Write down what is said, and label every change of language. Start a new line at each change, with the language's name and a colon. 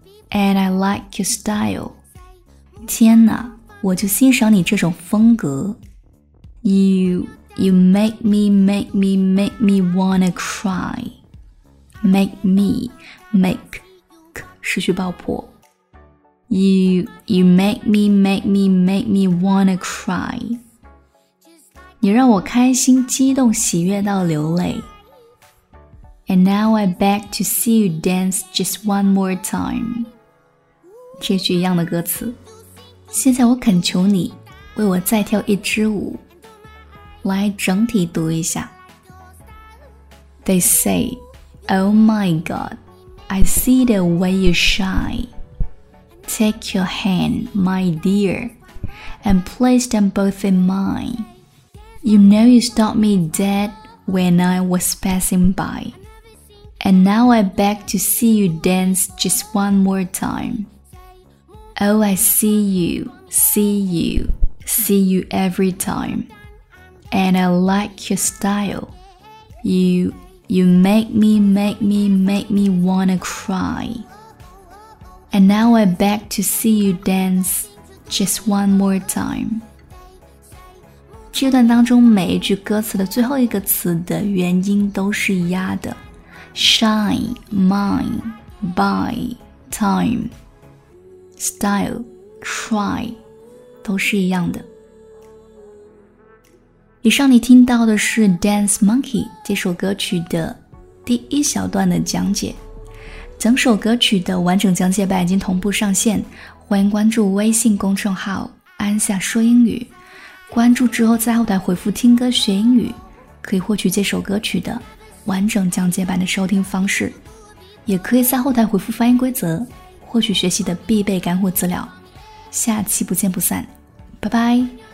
English: And I like your style
Chinese: 天哪我就欣赏你这种风格
English: You make me wanna cry Make
Chinese: 失去爆破
English: You make me wanna cry
Chinese: 你让我开心激动喜悦到流泪
English: And now I beg to see you dance just one more time.
Chinese: 这句一样的歌词。现在我恳求你为我再跳一支舞。来整体读一下。
English: They say, oh my god, I see the way you shine. Take your hand, my dear, and place them both in mine. You know you stopped me dead when I was passing by. And now I beg to see you dance just one more time. Oh, I see you, see you, see you every time. And I like your style. You make me wanna cry. And now I beg to see you dance just one more time.
Chinese: 这段当中每一句歌词的最后一个词的元音都是压的。 Shine, mine, by, time, style, try, 都是一样的。以上你听到的是 Dance Monkey 这首歌曲的第一小段的讲解。整首歌曲的完整讲解版已经同步上线，欢迎关注微信公众号安夏说英语。关注之后在后台回复听歌学英语，可以获取这首歌曲的完整讲解版的收听方式，也可以在后台回复发音规则，获取学习的必备干货资料。下期不见不散，拜拜。